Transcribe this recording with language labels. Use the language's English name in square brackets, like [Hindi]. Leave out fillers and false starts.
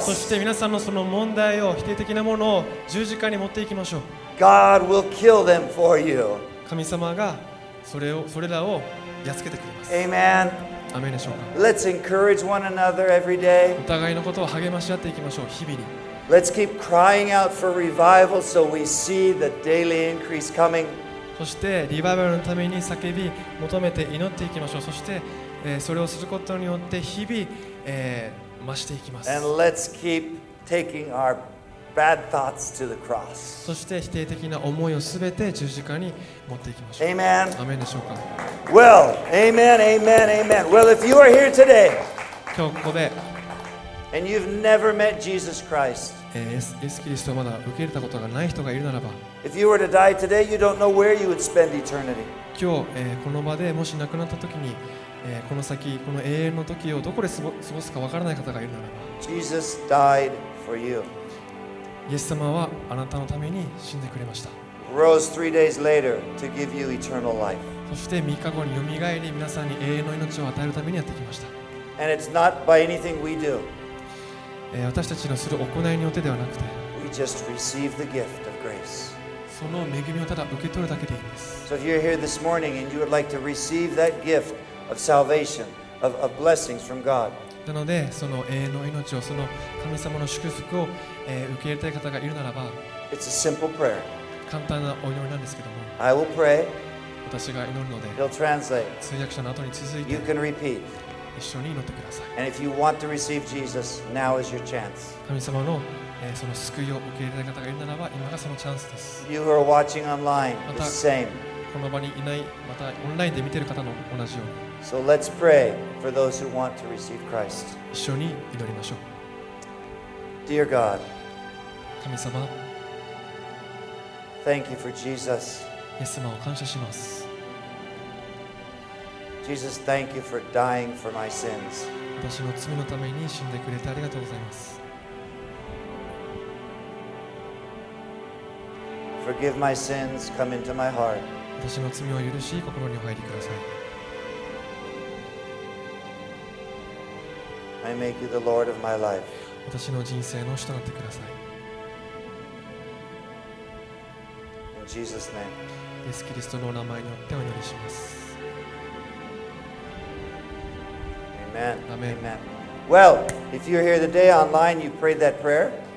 [Japanese] そして皆さんのその問題を否定的なものを十字架に持っていきましょう。 [English] God will kill them for you. [Japanese] 神様がそれらをやっつけてくれます。 [English] Amen. [Japanese] アメンでしょうか。 [English] Let's encourage one another every day. [Japanese] お互いのことを励まし合っていきましょう、日々に。 [English] Let's keep crying out for revival so we see the daily increase coming. [Japanese] そしてリバイバルのために叫び求めて祈っていきましょう。そして、それをすることによって日々、増していきます。 [English] And let's keep taking our bad thoughts to the cross. [Japanese] そして否定的な思いをすべて十字架に持っていきましょう。 [English] Amen. [Japanese] アメンでしょうか。 [English] Well, amen, amen, amen. Well, if you are here today, [Japanese] 今日ここで [English] and you've never met Jesus Christ, [Japanese] イエスキリストをまだ受け入れたことがない人がいるならば、 [English] if you were to die today, you don't know where you would spend eternity. [Japanese] 今日、この場でもし亡くなった時に、この先この永遠の時をどこで過ごすかわからない方がいるならば、 [English] Jesus died for you. [Japanese] イエス様はあなたのために死んでくれました。 [English] Rose three days later to give you eternal life. [Japanese] そして3日後によみがえり、皆さんに永遠の命を与えるためにやってきました。 [English] And it's not by anything we do. [Japanese] 私たちのする行いによってではなくて、 [English] we just receive the gift of grace. [Japanese] その恵みをただ受け取るだけでいいんです。 [English] So if you're here this morning and you would like to receive that gift of salvation, of blessings from God. [Japanese] なのでその永遠の命をその神様の祝福を、受け入れたい方がいるならば、 [English] It's a simple prayer. [Japanese] 簡単なお祈りなんですけども、 [English] I will pray. [Japanese] 私が祈るので、 [English] He'll translate. [Japanese] 通訳者の後に続いて、 [English] You can repeat. [Japanese] 一緒に祈ってください。 [English] And if you want to receive Jesus, now is your chance. [Japanese] 神様の、その救いを受け入れたい方がいるならば、今がそのチャンスです。 [English] You who are watching online, the same. [Japanese] この場にいない、またオンラインで見ている方の同じように。 [English] So let's pray for those who want to receive Christ. [Japanese] 一緒に祈りましょう。 [English] Dear God, [Japanese] 神様、 [English] Thank you for Jesus. [Japanese] イエス様を感謝します。 [English] Jesus, thank you for dying for my sins. [Japanese] 私の罪のために死んでくれてありがとうございます。 [English] Forgive my sins, come into my heart. [Japanese] 私の罪を許し、心にお入りください。 [English] I make you the Lord of my life. [Japanese] 私の人生の主となってください。 [English] In Jesus' name. [Japanese] イエス・キリストのお名前によってお祈りします。 [English] Amen. Amen. Amen. Well, if you're here today online, you prayed that prayer.